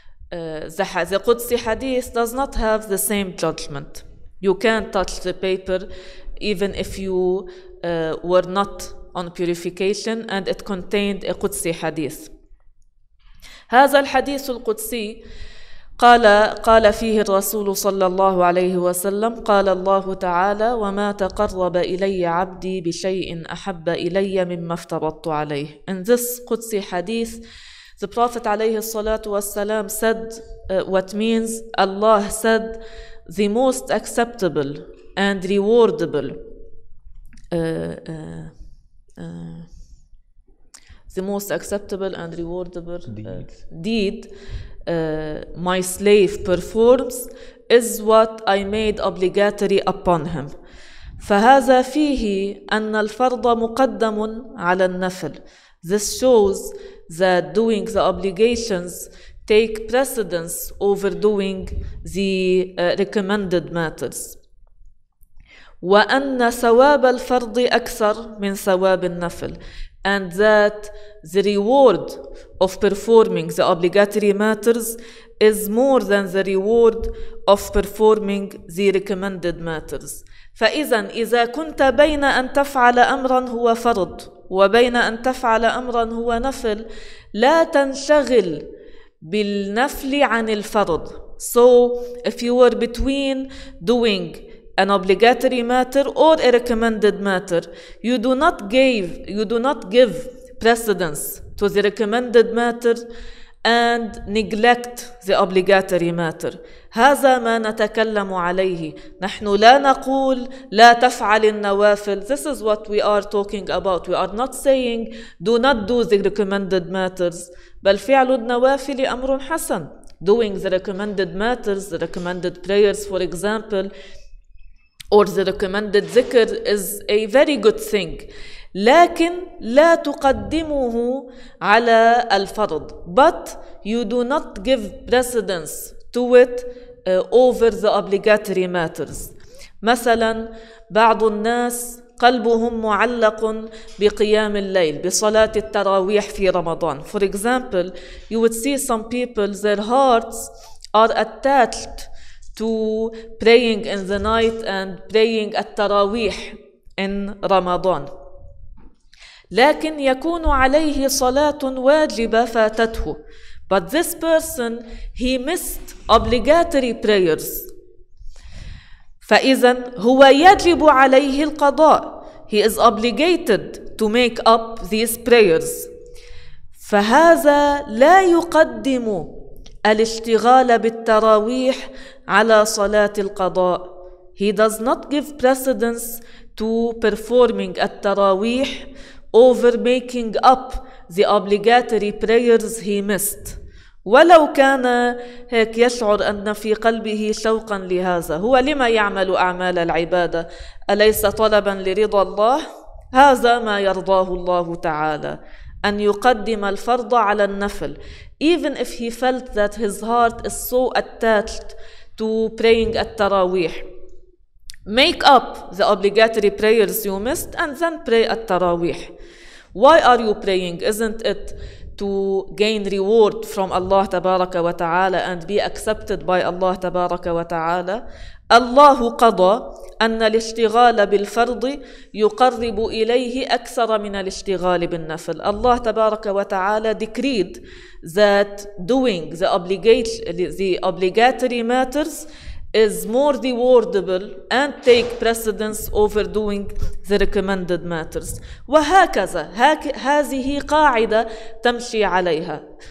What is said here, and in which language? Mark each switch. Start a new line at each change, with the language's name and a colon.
English: The Qudsi hadith does not have the same judgment. You can't touch the paper even if you were not on purification and it contained a Qudsi hadith.
Arabic: هذا الحديث القدسي قال فيه الرسول صلى الله عليه وسلم قال الله تعالى وما تقرب إلي عبدي بشيء أحب إلي مما افترضت عليه.
English: In this Qudsi hadith, the Prophet عليه الصلاة والسلام said what means Allah said the most acceptable and rewardable the most acceptable and rewardable deed my slave performs is what I made obligatory upon him.
Arabic: فهذا فيه أن الفرض مقدم على النفل.
English: This shows that doing the obligations take precedence over doing the recommended matters.
Arabic: وأن ثواب الفرض أكثر من ثواب النفل.
English: And that the reward of performing the obligatory matters is more than the reward of performing the recommended matters.
Arabic: فإذن إذا كنت بين أن تفعل أمرا هو فرض وبين أن تفعل أمرا هو نفل لا تنشغل بالنفل عن الفرض.
English: So if you were between doing an obligatory matter or a recommended matter, you do not give precedence to the recommended matter and neglect the obligatory matter.
Arabic: هذا ما نتكلم عليه. نحن لا نقول لا تفعل النوافل.
English: This is what we are talking about. We are not saying do not do the recommended matters.
Arabic: بل فعل النوافل أمر حسن.
English: Doing the recommended matters, the recommended prayers, for example, or the recommended zikr is a very good thing.
Arabic: لكن لا تقدمه على الفرض.
English: But you do not give precedence to it over the obligatory matters.
Arabic: مثلا بعض الناس قلبهم معلق بقيام الليل بصلاة التراويح في رمضان.
English: For example, you would see some people, their hearts are attached to praying in the night and praying at Taraweeh in Ramadan.
Arabic: لكن يكون عليه صلاة واجبة فاتته.
English: But this person, he missed obligatory prayers.
Arabic: فإذا هو يجب عليه القضاء.
English: He is obligated to make up these prayers.
Arabic: فهذا لا يقدم الاشتغال بالتراويح على صلاة القضاء.
English: He does not give precedence to performing التراويح over making up the obligatory prayers he missed.
Arabic: ولو كان هيك يشعر أن في قلبه شوقا لهذا، هو لما يعمل أعمال العبادة؟ أليس طلبا لرضا الله؟ هذا ما يرضاه الله تعالى، أن يقدم الفرض على النفل.
English: Even if he felt that his heart is so attached to praying التراويح. Make up the obligatory prayers you missed and then pray التراويح. Why are you praying? Isn't it to gain reward from Allah تبارك وتعالى and be accepted by Allah تبارك وتعالى؟
Arabic: الله قضى أن الاشتغال بالفرض يقرب إليه أكثر من الاشتغال بالنفل.
English: الله تبارك وتعالى decreed that doing the obligatory matters is more rewardable and take precedence over doing the recommended matters.
Arabic: وهكذا هذه قاعدة تمشي عليها.